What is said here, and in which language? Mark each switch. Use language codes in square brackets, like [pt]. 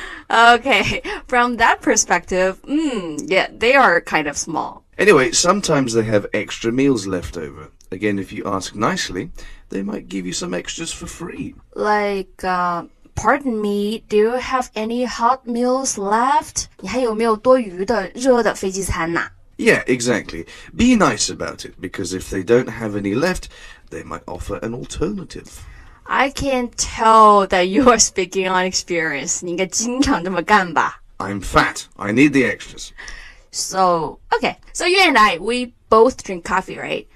[en] Okay, from that perspective, yeah, they are kind of small Anyway, sometimes they have extra meals left overAgain, if you ask nicely, they might give you some extras for free. Like, pardon me, do you have any hot meals left? [zh] 你还有没有多余的热的飞机餐呢？ [en] Yeah, exactly. Be nice about it, because if they don't have any left, they might offer an alternative. I can tell that you are speaking on experience. [zh] 你应该经常这么干吧？ [en] I'm fat. I need the extras. So, okay. So you and I, we both drink coffee, right?